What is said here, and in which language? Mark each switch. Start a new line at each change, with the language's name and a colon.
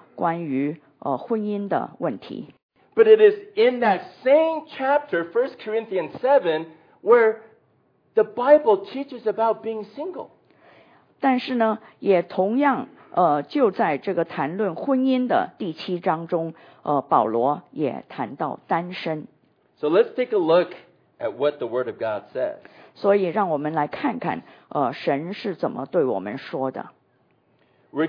Chinese: 哥林多那个时候，第一世纪哥林多教会的信徒们，他们问保罗很多关于婚姻的问题。
English: But it is in that same chapter, 1 Corinthians 7, where the Bible teaches about being single.
Chinese: 但是呢，也同样就在这个谈论婚姻的第七章中，保罗也谈到单身。
English: So let's take a look at what the Word of God says.
Chinese: 所以让我们来看看神是怎么对我们说的。
English: We're